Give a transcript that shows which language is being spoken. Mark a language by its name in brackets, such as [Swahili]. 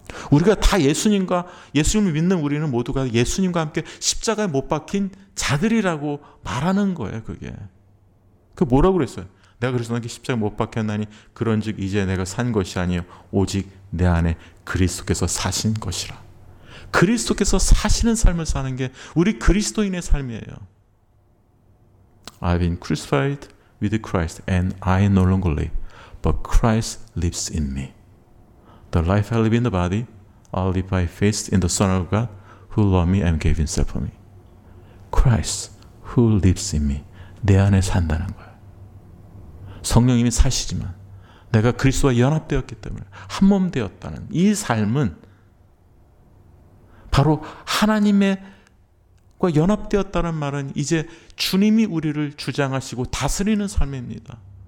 [Korean] 우리가 다 예수님과 예수님을 믿는 우리는 모두가 예수님과 함께 십자가에 못 박힌 자들이라고 말하는 거예요. 그게 뭐라고 그랬어요? 내가 그리스도와 함께 십자가에 못 박혔나니 그런즉 이제 내가 산 것이 아니요 오직 내 안에 그리스도께서 사신 것이라. 그리스도께서 사시는 삶을 사는 게 우리 그리스도인의 삶이에요. [English] I've been crucified with Christ and I no longer live but Christ lives in me. The life I live in the body, I live by faith in the Son of God, who loved me and gave himself for me. Christ, who lives in me, [Korean] 내 안에 산다는 거예요. 성령님이 사시지만 내가 그리스도와 연합되었기 때문에 한몸 되었다는 이 삶은 바로 하나님과 연합되었다는 말은 이제 주님이 우리를 주장하시고 다스리는 삶입니다.